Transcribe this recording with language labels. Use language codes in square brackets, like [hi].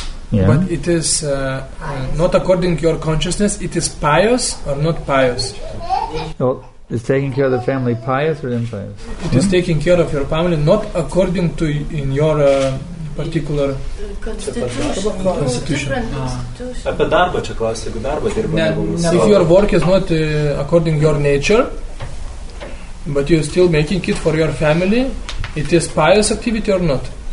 [en] Yeah. But it is not according your consciousness, it is pious or not pious? Well, is taking care of the family pious or impious? It is taking care of your family not according to in your particular constitution. [lt] Apie darbą čia klausia, jeigu darbą dirba. [en] If your work is not according your nature, but you're still making it for your family, it is pious activity or not?